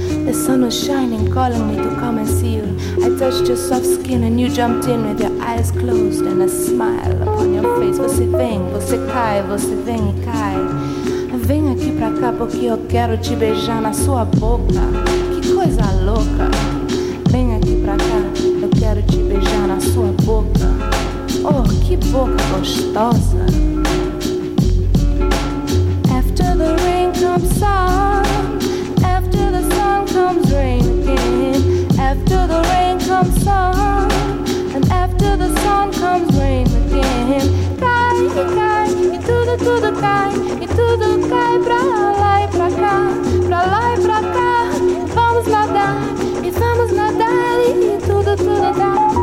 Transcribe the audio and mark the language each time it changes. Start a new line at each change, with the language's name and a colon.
English: The sun was shining, calling me to come and see you. I touched your soft skin and you jumped in with your eyes closed and a smile upon your face.
Portuguese: Você vem, você cai, você vem e cai. Vem aqui pra cá porque eu quero te beijar na sua boca. Que coisa louca. Vem aqui pra cá, eu quero te beijar na sua boca. Oh, que boca gostosa.
English: After the rain comes sun, after the sun comes rain again. After the rain comes sun, and after the sun comes rain again.
Portuguese: Cai, cai, e tudo, tudo cai, e tudo cai pra lá e pra cá, pra lá e pra cá. Vamos nadar, e vamos nadar, e tudo, tudo dá.